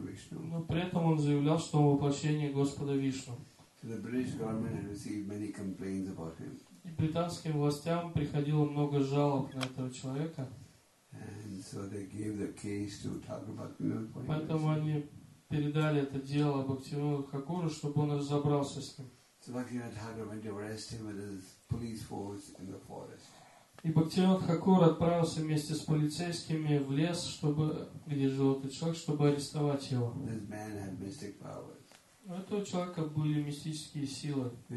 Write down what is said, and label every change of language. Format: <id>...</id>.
<ru>Но при этом он заявлял, что он воплощение Господа Вишну. И британским властям приходило много жалоб на этого человека.</ru> <en>And so they gave the case to Thakur Bhaktivinoda.</en> <ru>Поэтому они передали это дело Бхактивинода Тхакуру, чтобы он разобрался с ним.</ru> <en>So Bhaktivinoda Thakur went to arrest him with his police force in the forest.</en> <ru>И Бхактивинода Тхакура отправился вместе с полицейскими в лес, чтобы где жил этот человек, чтобы арестовать его.</ru> <en>This man had mystic powers.</en> <ru>У этого человека были мистические силы.</ru>